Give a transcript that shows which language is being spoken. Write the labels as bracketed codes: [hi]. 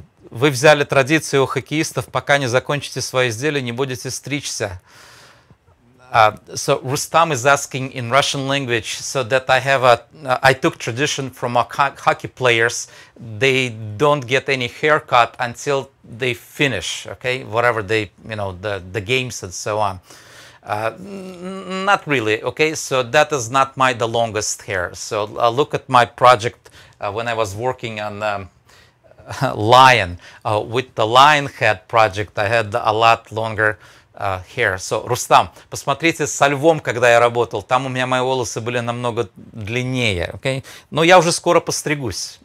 [ru] Вы взяли традицию у хоккеистов, пока не закончите свои изделия, не будете стричься. [en] So Rustam is asking in Russian language, so that I have a, I took tradition from our hockey players. They don't get any haircut until they finish, okay? Whatever they, you know, the games and so on. Not really, okay? So that is not my the longest hair. So look at my project when I was working on lion. With the lion head project, I had a lot longer hair. [ru] So, Rustam, посмотрите со львом, когда я работал. Там у меня мои волосы были намного длиннее. [en] Okay? [ru] Но я уже скоро постригусь.